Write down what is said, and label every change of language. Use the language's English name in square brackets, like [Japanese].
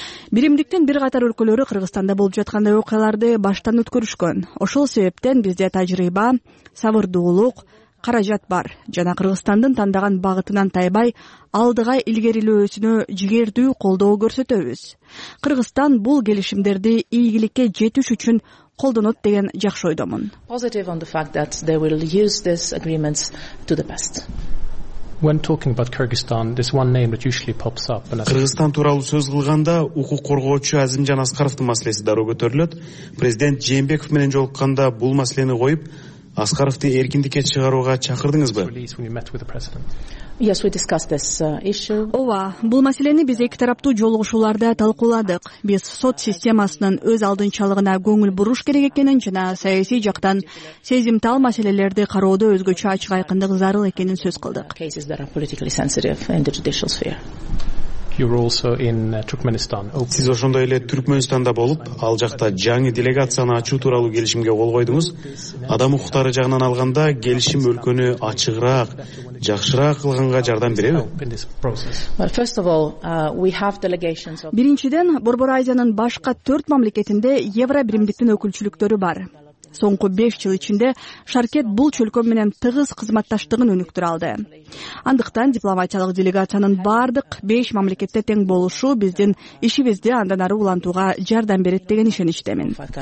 [Kyrgyz] Биримдиктин бир катар өлкөлөрү Кыргызстанда болуп жаткан окуяларды баштан өткөрүшкөн. Ошол себептен бизде тажрыйба, сабырдуулук, каражат бар жана Кыргызстандын тандаган багытынан тайбай алдыга илгерилөөсүнө жигердүү колдоо көрсөтөбүз. Кыргызстан бул келишимдерди ийгиликке жетиш үчүн колдонот деген жакшы ойдомун. [English] Positive on the fact that they will use these agreements to the best. When talking about Kyrgyzstan, this one name that usually pops up. [Kyrgyz] Кыргызстан тууралуу сөз кылганда укук коргоочу Азимжан Аскаровдун маселеси дароо көтөрүлөт. Президент Жээнбеков менен жолукканда бул маселени коюп, Аскаровду эркиндикке чыгарууга чакырдыңызбы? [English] Yes, we discussed this issue. [Kyrgyz] Ова, бул маселени биз эки тараптуу жолугушууларда талкууладык. Биз сот системасынын өз алдынчалыгына көңүл буруш керек экенин жана саясий жактан сезимтал маселелерди кароодо өзгөчө ачык айкындык зарыл экенин сөз кылдык. [English] Cases that are politically sensitive in the judicial sphere. You were also in Turkmenistan. [Kyrgyz] Сиз ошондой эле Түркмөнстанда болуп, ал жакта жаңы делегацияны ачуу тууралуу келишимге кол койдуңуз. Адам укуктары жагынан алганда, келишим өлкөнү ачыгыраак, жакшыраак кылганга жардам береби? [English] First of all, we have delegations of [Kyrgyz] Биринчиден, Борбор Азиянын башка 4 мамлекетинде Евробиримдиктин өкүлчүлүктөрү бар. Соңку 5 жыл ичинде Шаркет бул чөлкөм менен тыгыз кызматташтыгын өнүктүрө алды. Андыктан дипломатиялык делегациянын бардык 5 мамлекетте тең болушу биздин ишибизди андан ары улантууга жардам берет деген ишеничтемин.